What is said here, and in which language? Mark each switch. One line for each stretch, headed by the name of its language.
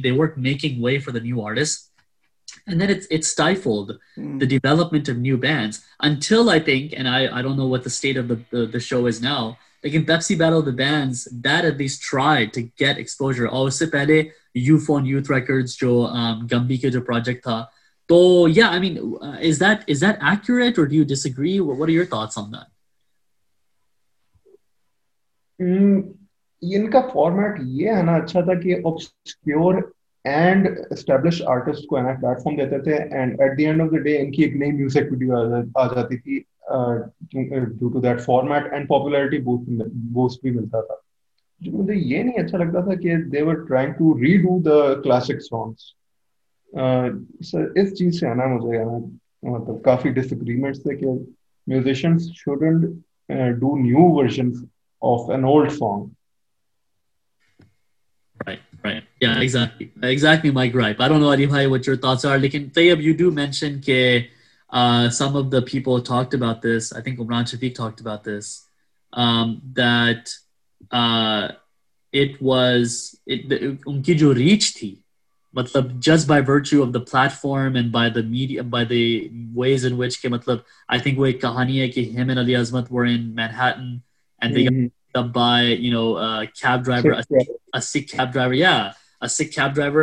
English: They weren't making way for the new artists. And then it stifled the development of new bands until, I think, and I don't know what the state of the show is now, like in Pepsi Battle of the Bands, that at least tried to get exposure.
Urdu: Oh, usse pehle, Ufone Youth Records, jo Gambi ke jo project tha.
English: So yeah, I mean, is that accurate or do you disagree? What are your thoughts on that?
Urdu: इनका format ये है ना अच्छा था कि
English: obscure and established artist
Urdu: को ना platform देते थे
English: and at the end of the day
Urdu: इनकी एक नई म्यूजिक वीडियो आ जाती थी
English: due to that format and popularity boost
Urdu: भी मिलता था जो मुझे ये नहीं अच्छा लगता था कि
English: they were trying to redo the classic songs
Urdu: इस चीज से आना मुझे मतलब काफी डिसएग्रीमेंट्स थे कि
English: Musicians shouldn't do new versions of an old song. Right. Yeah, exactly my gripe. I don't know, Adibhai, what your thoughts are.
Urdu: Lekin
English: Tayyab, you do mention ke some of the people talked about this. I think Umran Shafiq talked about this, that
Urdu: unki jo reach thi, matlab
English: just by virtue of the platform and by the media, by the ways in which
Urdu: ke matlab,
English: I think
Urdu: wo ek kahani hai ki
English: him and Ali Azmat were in Manhattan and they got dubbed by, you know, a cab driver, a Sikh cab driver.